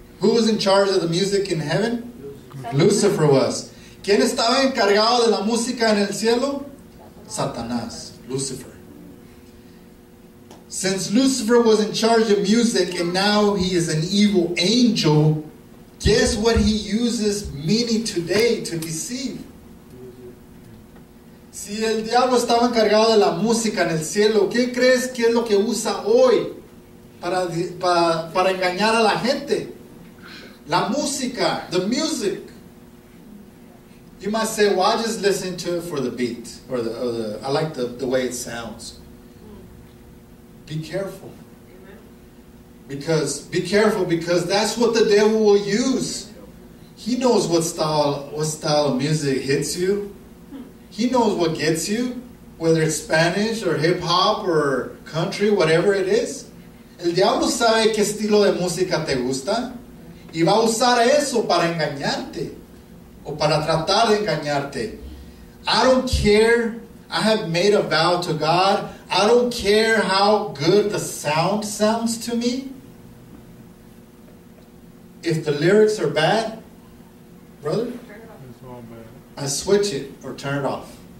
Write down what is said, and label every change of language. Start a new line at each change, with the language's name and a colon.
English: Who was in charge of the music in heaven? Lucifer was.
Spanish: ¿Quién estaba encargado de la música en el cielo?
English: Satanás. Lucifer. Since Lucifer was in charge of music and now he is an evil angel, guess what he uses many today to deceive?
Spanish: Si el diablo estaba encargado de la música en el cielo, ¿qué crees que es lo que usa hoy para engañar a la gente? La música,
English: the music. You might say, well, I just listen to it for the beat, or the I like the way it sounds. Be careful. Because that's what the devil will use. He knows what style of music hits you. He knows what gets you, whether it's Spanish or hip hop or country, whatever it is.
Spanish: El diablo sabe qué estilo de música te gusta y va a usar eso para engañarte o para tratar de engañarte.
English: I don't care. I have made a vow to God. I don't care how good the sound sounds to me. If the lyrics are bad, brother, I switch it or turn it off.